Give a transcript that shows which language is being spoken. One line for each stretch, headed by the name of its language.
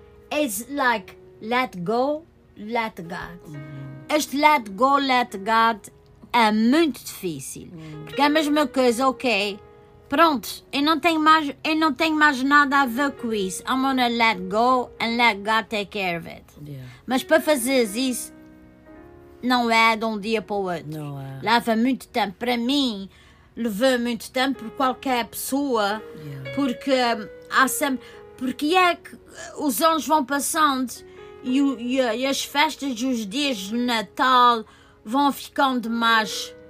English: It's like let go, let God.
Portuguese: Este let go, let God é muito difícil. Porque é a mesma coisa, ok. Pronto, eu não tenho mais nada a ver com isso.
English: I'm gonna let go and let God take care of it. Yeah.
Portuguese: Mas para fazer isso, não é de um dia para o outro. Não é. Leva muito tempo. Para mim, levou muito tempo por qualquer pessoa.
English: Yeah.
Portuguese: Porque há sempre... Porque é que os anos vão passando e as festas e os dias de Natal vão ficando mais...